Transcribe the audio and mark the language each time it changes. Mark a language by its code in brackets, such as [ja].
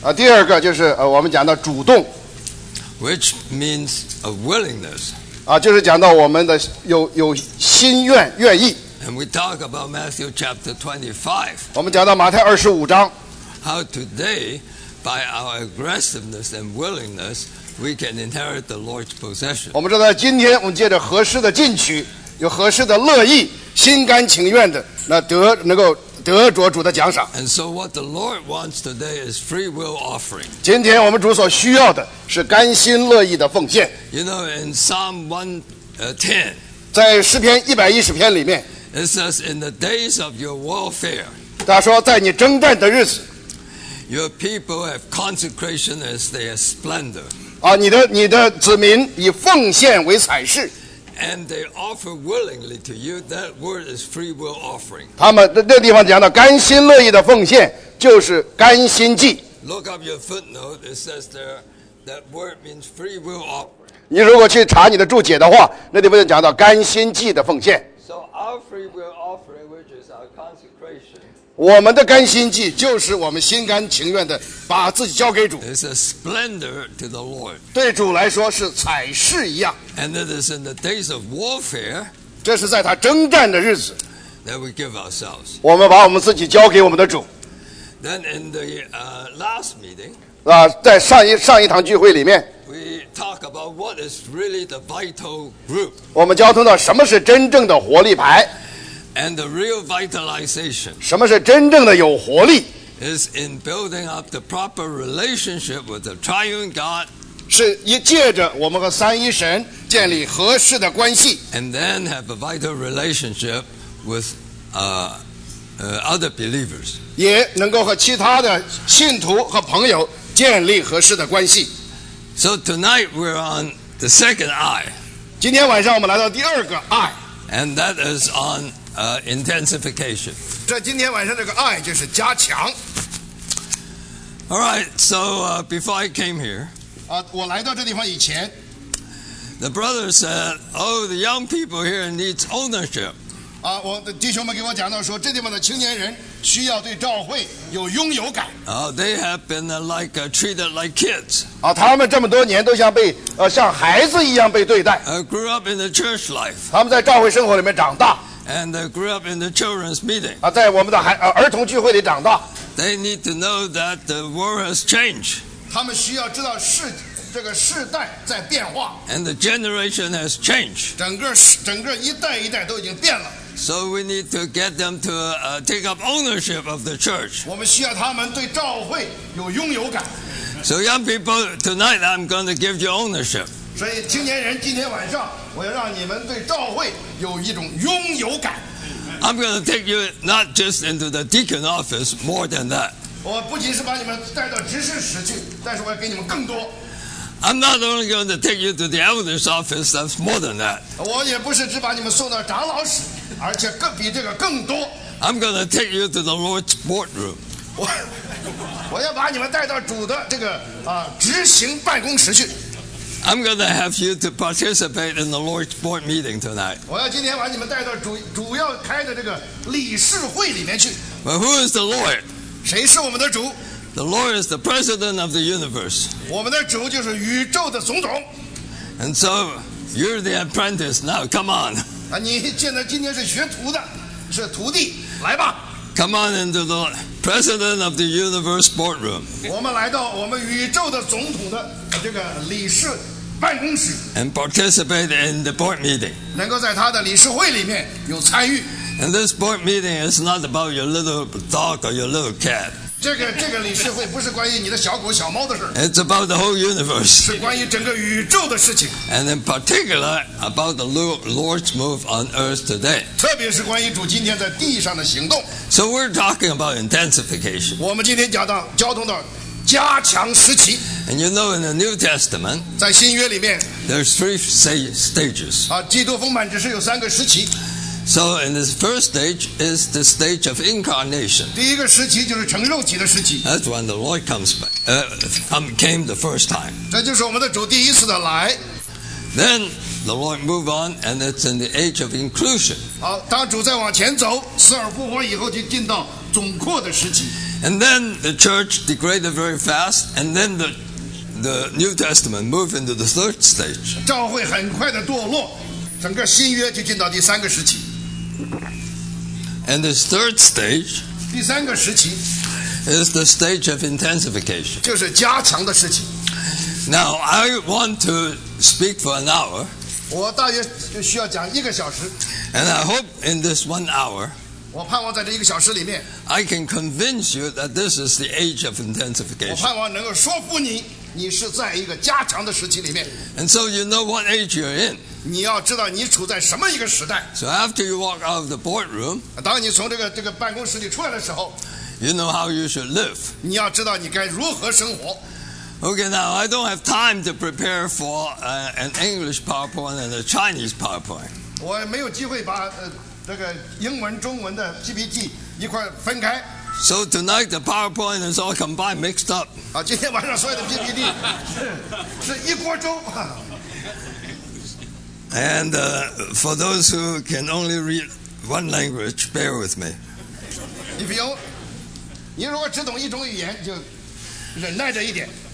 [zh] 第二个就是我们讲的主动。 [en] Which means a willingness. [zh] 就是讲到我们的有心愿愿意。 [en] And we talk about Matthew chapter 25. [zh] 我们讲到马太二十五章。 [en] How today, by our aggressiveness and willingness, we can inherit the Lord's possession. [zh] 我们知道今天我们借着合适的进取，有合适的乐意，心甘情愿的那得着主的奖赏。 [en] And so what the Lord wants today is free will offering. [zh] 今天我们主所需要的是甘心乐意的奉献。 [en] You know, in Psalm 110, [zh] 在诗篇一百一十篇里面， [en] it says, in the days of your warfare, [zh] 他说在你征战的日子， [en] your people have consecration as their splendor. [zh] 你的子民以奉献为彩饰。 [en] And they offer willingly to you. That word is free will offering. [zh] 他们那地方讲到甘心乐意的奉献就是甘心祭。 [en] Look up your footnote. It says there that word means free will offering. [zh] 你如果去查你的注解的话，那地方就讲到甘心祭的奉献。 [en] So our free will offering, which is our consecration. [zh] 我们的甘心祭就是我们心甘情愿的把自己交给主。 [en] It's a splendor to the Lord. [zh] 对主来说是彩饰一样。 [en] And it is in the days of warfare. [zh] 这是在他征战的日子。 [en] That we give ourselves. [zh] 我们把我们自己交给我们的主。 [en] Then in the last meeting. [zh] 在上一堂聚会里面。 [en] We talk about what is really the vital group. [zh] 我们交通到什么是真正的活力牌。 [en] And the real vitalization. [zh] 什么是真正的有活力。 [en] Is in building up the proper relationship with the triune God. [zh] 是一借着我们和三一神建立合适的关系。 [en] And then have a vital relationship with other believers. [zh] 也能够和其他的信徒和朋友建立合适的关系。 [en] So tonight we're on the second I. [zh] 今天晚上我们来到第二个 I. [en] And that is on intensification. [zh] 这今天晚上这个 I 就是加强。 [en] All right, so before I came here, [zh] 我来到这地方以前， [en] the brother said, oh, the young people here needs ownership. [zh] 我的弟兄们给我讲到说，这地方的青年人需要对召会有拥有感。 [en] They have been treated like kids. [zh] 他们这么多年都像被像孩子一样被对待。 [en] Grew up in the church life. [zh] 他们在召会生活里面长大。 [en] And grew up in the children's meeting. [zh] 在我们的儿童聚会里长大。 [en] They need to know that the world has changed. [zh] 他们需要知道这个世代在变化。 [en] And the generation has changed. [zh] 整个一代一代都已经变了。 [en] So we need to get them to take up ownership of the church. [zh] 我们需要他们对召会有拥有感。 [en] So young people, tonight I'm going to give you ownership. [zh] 所以青年人今天晚上我要让你们对召会有一种拥有感。 [en] I'm going to take you not just into the deacon office, more than that. [zh] 我不仅是把你们带到执事室去，但是我要给你们更多。 [en] I'm not only going to take you to the elder's office, that's more than that. [zh] 我也不是只把你们送到长老室，而且更比这个更多。 [en] I'm going to take you to the Lord's boardroom. [zh] 我要把你们带到主的这个执行办公室去。 [en] I'm going to have you to participate in the Lord's board meeting tonight. But who is the Lord? [zh] 谁是我们的主? [en] The Lord is the President of the universe. [zh] 我们的主就是宇宙的总统。 [en] And so, you're the apprentice now, come on. [zh] 你现在今天是学徒的，是徒弟，来吧。 [en] Come on into the President of the universe boardroom. [zh] 我们来到我们宇宙的总统的这个理事办公室。 [en] And participate in the board meeting. [zh] 能够在他的理事会里面有参与。 [en] And this board meeting is not about your little dog or your little cat. [zh] 这个理事会不是关于你的小狗小猫的事。 [en] It's about the whole universe. [zh] 是关于整个宇宙的事情。 [en] And in particular about the Lord's move on earth today. [zh] 特别是关于主今天在地上的行动。 [en] So we're talking about intensification. [zh] 我们今天讲到交通的加强时期。 [en] And you know in the New Testament, [zh] 在新约里面, [en] there's three stages. [zh] 基督丰满只是有三个时期。 [en] So in this first stage is the stage of incarnation. [zh] 第一个时期就是成肉体的时期。 [en] That's when the Lord comes back, came the first time. [zh] 这就是我们的主第一次的来。 [en] Then the Lord moved on and it's in the age of inclusion. [zh] 当主再往前走，死而复活以后就进到总括的时期。 [en] And then the church degraded very fast, and then the New Testament moved into the third stage. [zh] 教会很快的堕落，整个新约就进到第三个时期。 [en] And this third stage, [zh] 第三个时期 [en] is the stage of intensification. [zh] 就是加强的时期。 [en] Now I want to speak for an hour. [zh] 我大约就需要讲一个小时。 [en] And I hope in this 1 hour. [zh] 我盼望在这一个小时里面 [en] I can convince you that this is the age of intensification. [zh] 我盼望能够说服你，你是在一个加强的时期里面。 [en] And so you know what age you're in. [zh] 你要知道你处在什么一个时代。 [en] So after you walk out of the boardroom, [zh] 当你从这个办公室里出来的时候 [en] you know how you should live. [zh] 你要知道你该如何生活。 [en] Okay, now I don't have time to prepare for an English PowerPoint and a Chinese PowerPoint. [zh] 我没有机会把这个英文中文的 PPT 一块分开。 [en] So tonight the PowerPoint is all combined, mixed up. [zh] 啊，今天晚上所有的 PPT 是一锅粥。 [en] And for those who can only read one language, bear with me. [zh] 你如果只懂一种语言，就忍耐着一点。